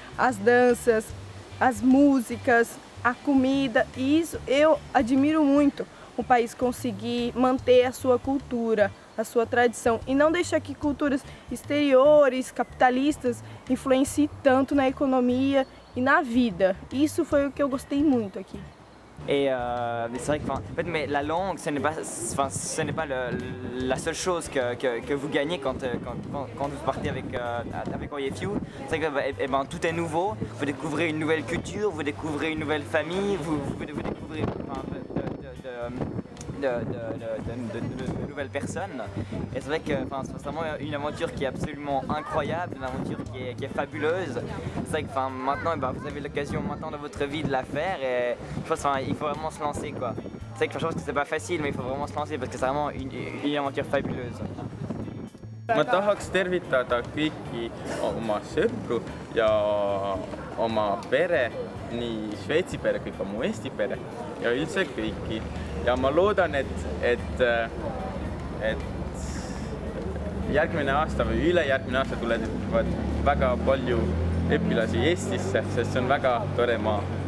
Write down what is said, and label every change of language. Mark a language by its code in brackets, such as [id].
[pt] As danças, as músicas, a comida, e isso eu admiro muito, o país conseguir manter a sua cultura, a sua tradição, e não deixar que culturas exteriores, capitalistas, influenciem tanto na economia e na vida. Isso foi o que eu gostei muito aqui. [fr] Et c'est vrai que en fait, mais la langue, ce n'est pas la seule chose que vous gagnez quand vous partez avec OIFU. C'est vrai que et ben, tout est nouveau. Vous découvrez une nouvelle culture, vous découvrez une nouvelle famille, vous découvrez de nouvelles personnes. Et c'est vrai que c'est vraiment une aventure qui est absolument incroyable, une aventure qui est fabuleuse. C'est vrai que maintenant, et ben, vous avez l'occasion maintenant dans votre vie de la faire et je pense qu'il faut vraiment se lancer, quoi. C'est vrai que je pense que c'est pas facile, mais il faut vraiment se lancer parce que c'est vraiment une aventure fabuleuse. [et] Ma tahaks tervitada kõiki oma sõpru ja oma pere, nii Sveitsi pere kui ka mu Eesti pere ja üldse kõiki. Ja ma loodan, et järgmine aasta või üle järgmine aasta tulevad väga palju õpilasi Eestisse, sest see on väga tore maa.